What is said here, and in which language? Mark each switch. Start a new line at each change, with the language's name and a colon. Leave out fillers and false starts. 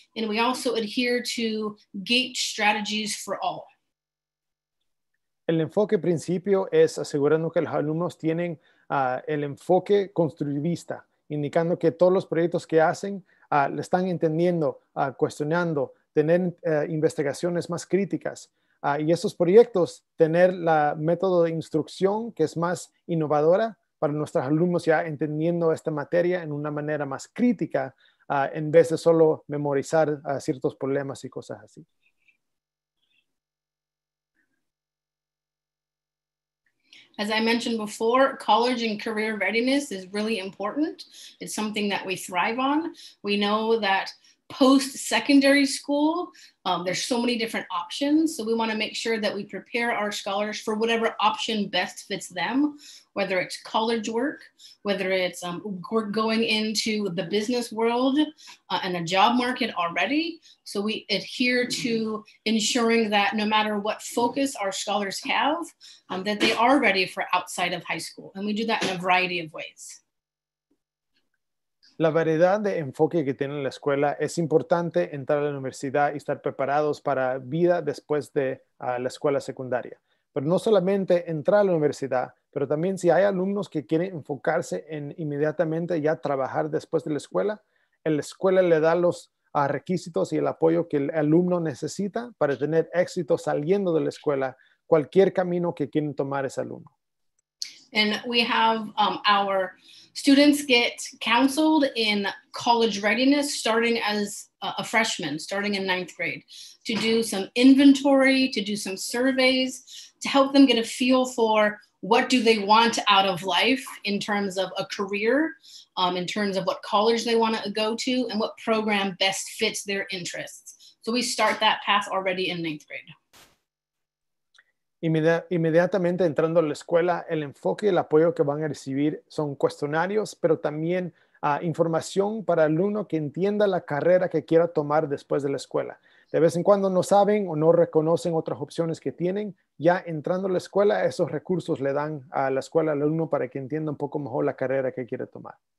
English: And we also adhere to gate strategies for all.
Spanish: El enfoque principio es asegurando que los alumnos tienen el enfoque constructivista, indicando que todos los proyectos que hacen le están entendiendo, cuestionando, tener investigaciones más críticas. Y esos proyectos, tener la método de instrucción que es más innovadora para nuestros alumnos ya entendiendo esta materia en una manera más crítica en vez de solo memorizar ciertos problemas y cosas así.
English: As I mentioned before, college and career readiness is really important. It's something that we thrive on. We know that post-secondary school, there's so many different options. So we want to make sure that we prepare our scholars for whatever option best fits them, whether it's college work, whether it's going into the business world and a job market already. So we adhere to ensuring that no matter what focus our scholars have, that they are ready for outside of high school. And we do that in a variety of ways.
Spanish: La variedad de enfoque que tiene la escuela es importante entrar a la universidad y estar preparados para vida después de la escuela secundaria. Pero no solamente entrar a la universidad, pero también si hay alumnos que quieren enfocarse en inmediatamente ya trabajar después de la escuela le da los requisitos y el apoyo que el alumno necesita para tener éxito saliendo de la escuela, cualquier camino que quieren tomar ese alumno.
English: And we have our students get counseled in college readiness starting as a freshman, starting in ninth grade, to do some inventory, to do some surveys, to help them get a feel for what do they want out of life in terms of a career, in terms of what college they want to go to, and what program best fits their interests. So we start that path already in ninth grade.
Spanish: Inmediatamente entrando a la escuela, el enfoque y el apoyo que van a recibir son cuestionarios, pero también información para el alumno que entienda la carrera que quiera tomar después de la escuela. De vez en cuando no saben o no reconocen otras opciones que tienen, ya entrando a la escuela, esos recursos le dan a la escuela al alumno para que entienda un poco mejor la carrera que quiere tomar.